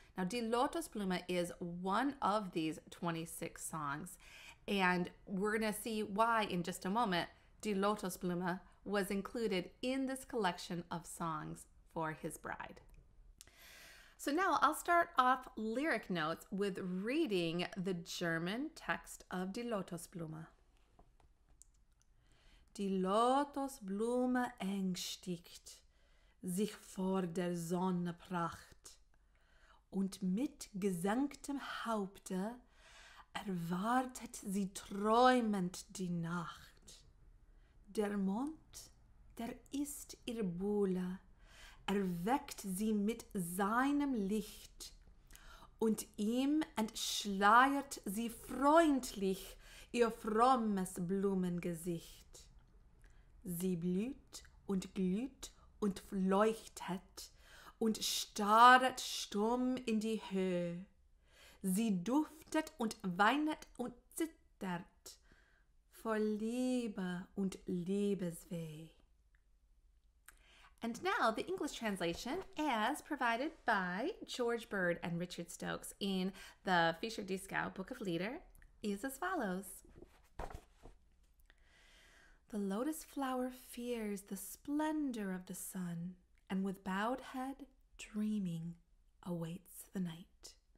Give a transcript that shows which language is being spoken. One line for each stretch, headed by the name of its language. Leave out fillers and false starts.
English: Now, Die Lotosblume is one of these 26 songs, and we're gonna see why in just a moment. Die Lotosblume was included in this collection of songs for his bride. So now I'll start off lyric notes with reading the German text of Die Lotosblume.
German: Die Lotosblume ängstigt sich vor der Sonne Pracht und mit gesenktem Haupte erwartet sie träumend die Nacht. Der Mond, der ist ihr Buhle, erweckt sie mit seinem Licht und ihm entschleiert sie freundlich ihr frommes Blumengesicht. Sie blüht und glüht und leuchtet und starret stumm in die Höhe. Sie duftet und weinet und zittert vor Liebe und Liebesweh.
English: And now the English translation as provided by George Bird and Richard Stokes in the Fischer-Dieskau Book of Lieder is as follows. The lotus flower fears the splendor of the sun, and with bowed head, dreaming, awaits the night.